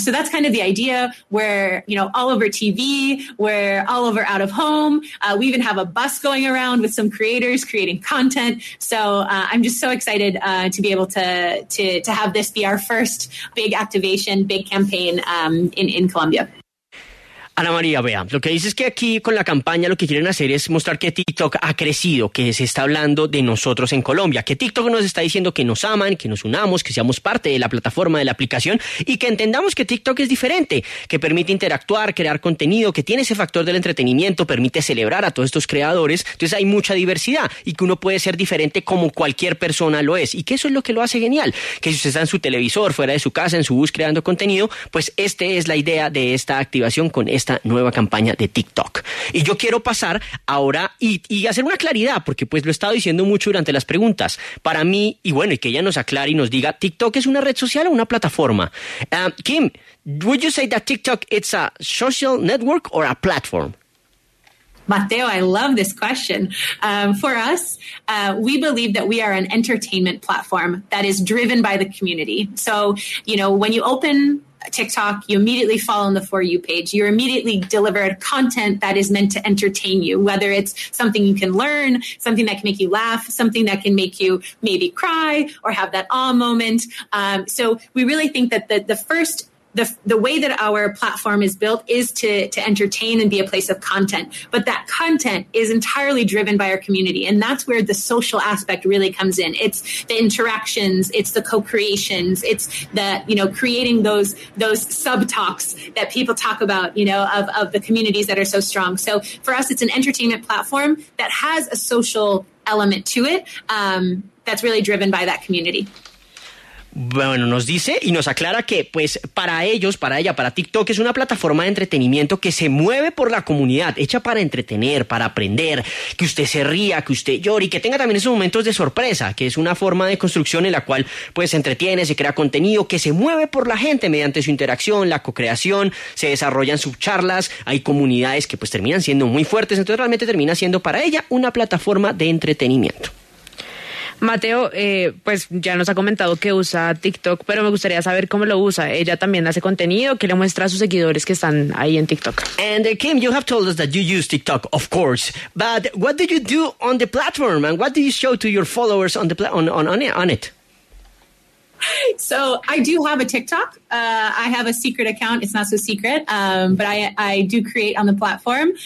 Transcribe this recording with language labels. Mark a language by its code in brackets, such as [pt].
[en] So that's kind of the idea. We're, you know, all over TV, we're all over out of home. We even have a bus going around with some creators creating content. So I'm just so excited to be able to have this be our first big activation, big campaign in Colombia. [es] Ana María, vea, lo que dices es que aquí con la campaña lo que quieren hacer es mostrar que TikTok ha crecido, que se está hablando de nosotros en Colombia, que TikTok nos está diciendo que nos aman, que nos unamos, que seamos parte de la plataforma, de la aplicación, y que entendamos que TikTok es diferente, que permite interactuar, crear contenido, que tiene ese factor del entretenimiento, permite celebrar a todos estos creadores, entonces hay mucha diversidad y que uno puede ser diferente como cualquier persona lo es, y que eso es lo que lo hace genial, que si usted está en su televisor, fuera de su casa, en su bus, creando contenido, pues esta es la idea de esta activación con esta nueva campaña de TikTok. Y yo quiero pasar ahora y hacer una claridad, porque pues lo he estado diciendo mucho durante las preguntas. Para mí, y bueno, y que ella nos aclare y nos diga, ¿TikTok es una red social o una plataforma? [en] Kim, would you say that TikTok it's a social network or a platform? Mateo, I love this question. For us, we believe that we are an entertainment platform that is driven by the community. So, you know, when you open TikTok, you immediately fall on the For You page. You're immediately delivered content that is meant to entertain you, whether it's something you can learn, something that can make you laugh, something that can make you maybe cry or have that awe moment. So we really think that the way that our platform is built is to entertain and be a place of content. But that content is entirely driven by our community. And that's where the social aspect really comes in. It's the interactions. It's the co-creations. It's the, you know, creating those sub-talks that people talk about, you know, of the communities that are so strong. So for us, it's an entertainment platform that has a social element to it that's really driven by that community. [es] Bueno, nos dice y nos aclara que pues para ellos, para ella, para TikTok es una plataforma de entretenimiento que se mueve por la comunidad, hecha para entretener, para aprender, que usted se ría, que usted llore y que tenga también esos momentos de sorpresa, que es una forma de construcción en la cual pues se entretiene, se crea contenido, que se mueve por la gente mediante su interacción, la co-creación, se desarrollan subcharlas, hay comunidades que pues terminan siendo muy fuertes, entonces realmente termina siendo para ella una plataforma de entretenimiento. Mateo, pues ya nos ha comentado que usa TikTok, pero me gustaría saber cómo lo usa. Ella también hace contenido que le muestra a sus seguidores que están ahí en TikTok. [en] And Kim, you have told us that you use TikTok, of course. But what do you do on the platform, and what do you show to your followers on the on it? So I do have a TikTok. I have a secret account. It's not so secret, but I do create on the platform.